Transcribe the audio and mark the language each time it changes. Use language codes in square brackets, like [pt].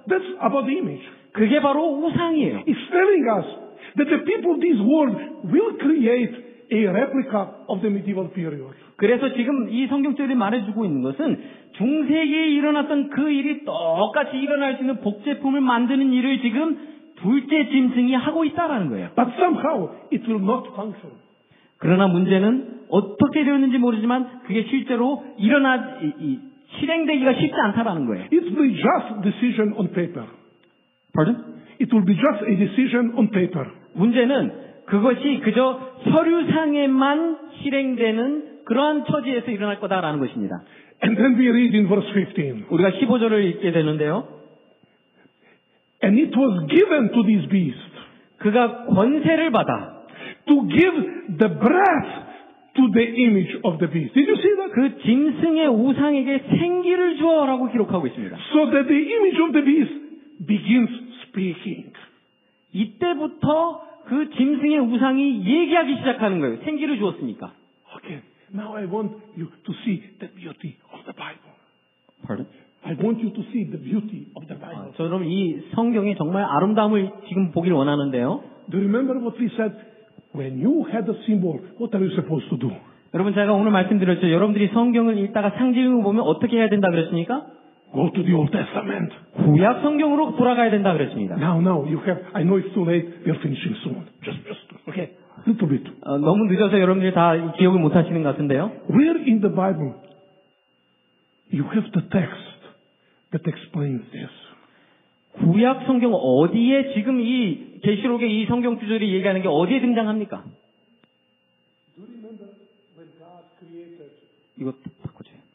[en] That's about the image. [ko] 그게 바로 우상이에요. [en] It's telling us that the people of this world will create a replica of the medieval period. [ko] 그래서 지금 이 성경절이 말해주고 있는 것은 중세기에 일어났던 그 일이 똑같이 일어날 수 있는 복제품을 만드는 일을 지금 둘째 짐승이 하고 있다라는 거예요. [en] But somehow it will not function. [ko] 그러나 문제는 어떻게 되었는지 모르지만 그게 실제로 일어나 실행되기가 쉽지 않다라는 거예요. [en] It will be just a decision on paper. Pardon? It will be just a decision on paper. [ko] 문제는 그것이 그저 서류상에만 실행되는 그러한 처지에서 일어날 거다라는 것입니다. [en] And then we read in verse 15. [ko] 우리가 15절을 읽게 되는데요. [en] And it was given to this beast. [ko] 그가 권세를 받아. [en] To give the breath to the image of the beast. Did you see that? [ko] 그 짐승의 우상에게 생기를 주어라고 기록하고 있습니다. [en] So that the image of the beast begins speaking. [ko] 이때부터 그 짐승의 우상이 얘기하기 시작하는 거예요. 생기를 주었으니까. [en] Okay. Now I want you to see the beauty of the Bible. Pardon? I want you to see the beauty of the Bible. [ko] 저 그럼 이 성경의 정말 아름다움을 지금 보기를 원하는데요. [en] Do you remember what we said? When you had a symbol, what are you supposed to do? [ko] 여러분 제가 오늘 말씀드렸죠. 여러분들이 성경을 읽다가 상징을 보면 어떻게 해야 된다 그랬습니까? [en] Go to the Old Testament. [ko] 구약 성경으로 돌아가야 된다 그랬습니다. [en] Now you have. I know it's too late. We are finishing soon. Just. Okay. Little bit. [ko] 너무 늦어서 여러분들이 다 기억을 못하시는 것 같은데요. [en] Where in the Bible you have the text? That explains this. [ko] 구약 성경 어디에 지금 이 계시록의 이 성경 구절이 얘기하는 게 어디에 등장합니까? [en] Do you remember when God created? [ko] 이거 바꾸지.